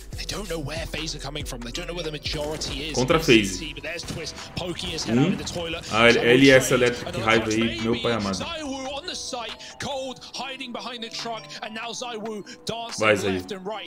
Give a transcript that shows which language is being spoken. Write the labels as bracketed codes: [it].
[en] They don't know where FaZe are coming from. They don't know where the majority is. [pt] Contra FaZe. LS Electric, que raiva aí, meu pai amado. [en] Zaiwoo on the site, cold hiding behind the truck, and now Zaiwoo dancing left and right.